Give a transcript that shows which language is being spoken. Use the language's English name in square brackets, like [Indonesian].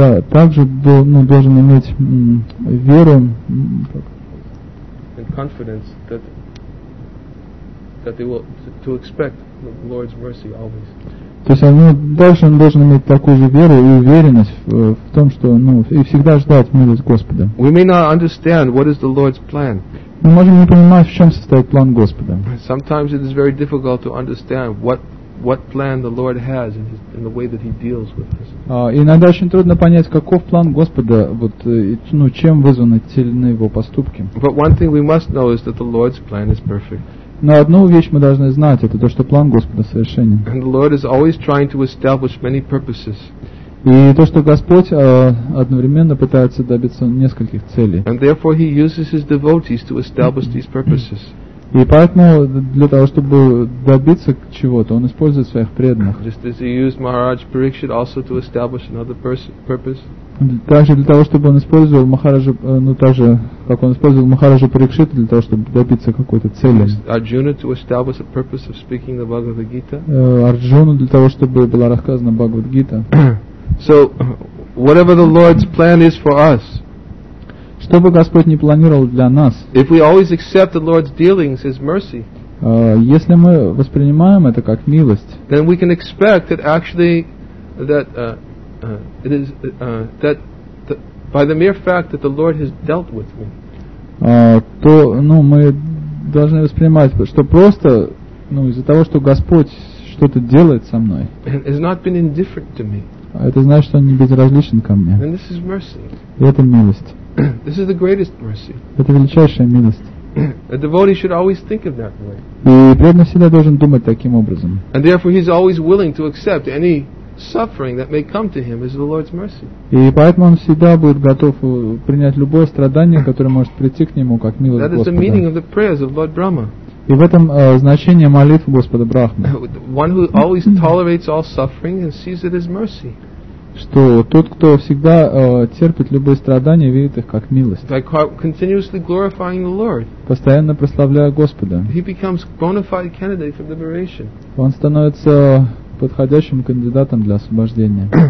[Russian] Также должен иметь веру [English] and confidence that they will to expect the Lord's mercy always. [Russian] То есть, ну, дальше он должен иметь такую же веру и уверенность в том, что, ну, и всегда ждать милость Господа. [English] We may not understand what is the Lord's plan. [Russian] Мы можем не понимать, в чем состоит план Господа. [English] Sometimes it is very difficult to understand what plan the Lord has in the way that He deals with us. [Russian] Иногда очень трудно понять, каков план Господа, вот, ну, чем вызваны те или иные его поступки. [English] But one thing we must know is that the Lord's plan is perfect. [Russian] Но одну вещь мы должны знать, это то, что план Господа совершенен. [English] And the Lord is always trying to establish many purposes. [Russian] И то, что Господь одновременно пытается добиться нескольких целей. [English] And therefore he uses his devotees to establish these purposes. [Russian] И поэтому для того, чтобы добиться чего-то, он использует своих преданных. [English] Just as he used Maharaj Parikshit also to establish another purpose. [Russian] Также для того, чтобы он использовал Махараджа, ну, так же, как он использовал Махараджа Парикшита для того, чтобы добиться какой-то цели. [English] Arjuna to establish a purpose of speaking the Bhagavad Gita. [Russian] Арджуну для того, чтобы была рассказана Бхагавад Гита. [English] So, whatever the Lord's plan is for us, [Russian] что бы Господь ни планировал для нас, [English] if we always accept the Lord's dealings as mercy, [Russian] если мы воспринимаем это как милость, [English] then we can expect that actually that it is that by the mere fact that the Lord has dealt with me, [Russian] то, ну, мы должны воспринимать, что просто, ну, из-за того, что Господь что-то делает со мной, [English] has not been indifferent to me, [Russian] это значит, что он не безразличен ко мне. [English] And this is mercy. [Russian] И это милость. [English] This is the greatest mercy. [Russian] Это величайшая милость. [English] A devotee should always think of that way. [Russian] И преданный всегда должен думать таким образом. [English] And therefore he's always willing to accept any suffering that may come to him is the Lord's mercy. [Russian] И поэтому он всегда будет готов принять любое страдание, которое может прийти к нему как милость Господа. [English] That is the meaning of the prayers of Lord Brahma. [Russian] И в этом значение молитв Господа Брахмы. [English] One who always tolerates all suffering and sees it as mercy. [Russian] Что тот, кто всегда терпит любые страдания, видит их как милость. [English] By continuously glorifying the Lord. [Russian] Постоянно прославляя Господа. [English] He becomes bona fide candidate for liberation. [Russian] Он становится подходящим кандидатом для освобождения.